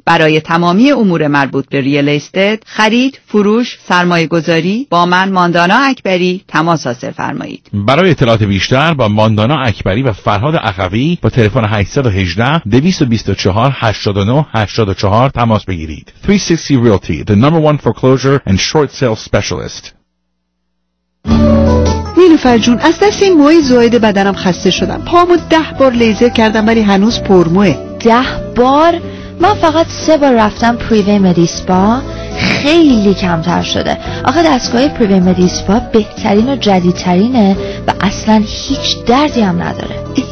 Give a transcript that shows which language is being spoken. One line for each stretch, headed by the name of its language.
Persian: برای تمامی امور مربوط به ریل استیت، خرید، فروش، سرمایه گذاری، با من ماندانا اکبری تماس حاصل فرمایید. برای اطلاعات بیشتر با ماندانا اکبری و فرهاد اخوی با تلفن 818-224-89-84 تماس بگیرید.
English: 360 Realty, the number one foreclosure and short sale specialist.
Persian: نیلوفر جون، از دست این موهای زائد بدنم خسته شدم. پامو 10 بار لیزر کردم ولی هنوز پرموه. 10 بار؟ من فقط 3 بار رفتم پریوی مدیسپا، خیلی کمتر شده. آخه دستگاه پریوی مدیسپا بهترین و جدیدترینه و اصلا هیچ دردی هم نداره.